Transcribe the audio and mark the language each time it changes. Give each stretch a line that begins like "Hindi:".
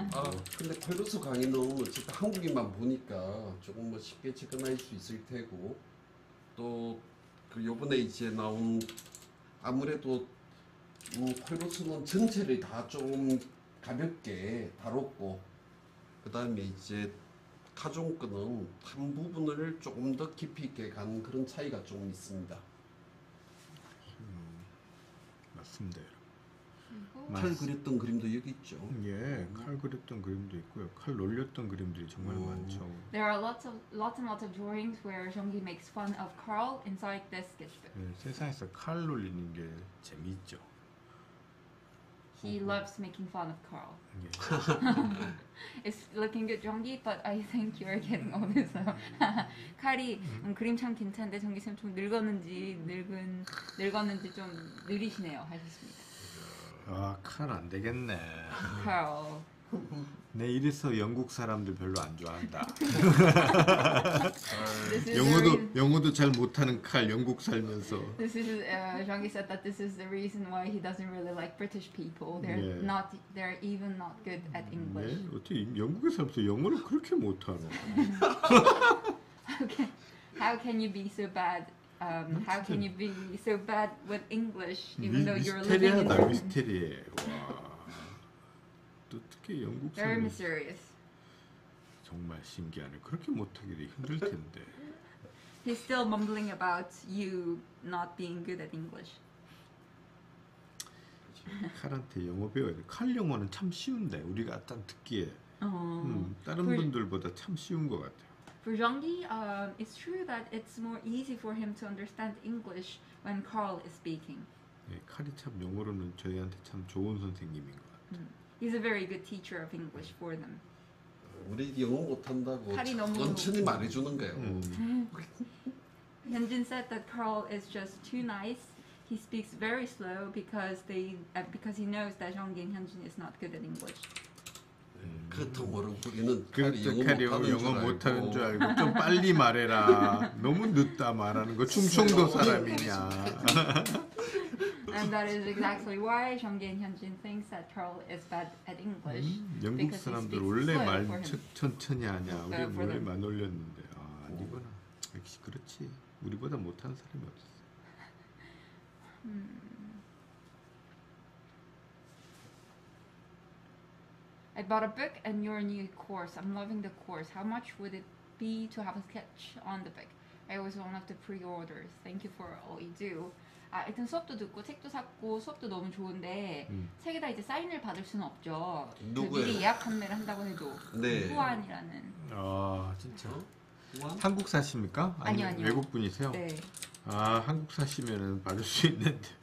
Korean: 아 근데 콜로수 강의는 어쨌든 한국인만 보니까 조금 뭐 쉽게 접근할 수 있을 테고 또 그 요번에 이제 나온 아무래도 콜로수는 전체를 다 좀 가볍게 다뤘고 그 다음에 이제 카존거는 한 부분을 조금 더 깊이 있게 간 그런 차이가 좀 있습니다. 맞습니다. 칼 그렸던 그림도 여기 있죠. 예, 칼 그렸던 그림도 있고요. 칼 놀렸던 그림들이 정말 많죠.
English: There are lots of drawings where Jeonggi makes fun of Carl inside this sketchbook.
Korean: 예, 세상에서 칼 놀리는 게 재미있죠.
English: He loves making fun of Carl.
Korean: 예.
English: It's looking good, Jeonggi, but I think you're getting older. So.
Korean: 칼이 그림 참 괜찮은데 정기 쌤 좀 늙었는지 좀 느리시네요 하셨습니다. 아 칼 안 되겠네. 칼. 네 이래서 영국 사람들 별로 안 좋아한다. 영어도 잘 못하는 칼 영국 살면서.
English: This is Jeonggi said that this is the reason why he doesn't really like British people. They're 네. not they're even not good at English.
Korean: 네? 어떻게 영국에 살면서 영어를 그렇게 못하나?
English: Okay. How can you be so bad? How can you be so bad with English even though you're living in England?
Korean: 미스테리해. 어떻게 영국 사람이
English: Very mysterious.
Korean: 정말 신기하네. 그렇게 못하기도 힘들 텐데.
English: He's still mumbling about you not being good at English.
Korean: 칼한테 영어 배워야 돼. 칼 영어는 참 쉬운데 우리가 딱 듣기에. 어. 다른 분들보다 참 쉬운 것 같아.
English: For Zhongyi, it's true that it's more easy for him to understand English when Carl is speaking.
Korean: 예, 칼이 참 영어로는 저희한테 참 좋은 선생님인 것 같아요.
English: He's a very good teacher of English for them.
Korean: 우리 영어 못한다고 천천히 말해주는 거예요.
English: 현진 said that Carl is just too nice. He speaks very slow because they because he knows that Zhongyi and Hyunjin is not good at English.
Korean: 그렇다고 우리는 칼이 영어 못하는 줄 알고 좀 빨리 말해라. 너무 늦다 말하는 거 충청도 사람이냐.
English: And that is exactly why Zhongyi and Hyunjin think that Carl is bad at English.
Korean: 영국 사람들 원래 말 천천히 하냐. 우리 원래 말 놀렸는데 아, 아니구나. 역시 그렇지. 우리보다 못한 사람이 없었어.
English: I bought a book and your new course. I'm loving the course. How much would it be to have a sketch on the book? It was one of the pre-orders. Thank you for all you do.
Korean: 아, 일단 수업도 듣고 책도 샀고 수업도 너무 좋은데 책에다 이제 사인을 받을 수는 없죠. 누구 미리 예약 판매를 한다고 해도 네. 후안이라는. 아 진짜? 한국 사십니까? 아니요. 외국 분이세요? 네. 아 한국 사시면은 받을 수 있는데.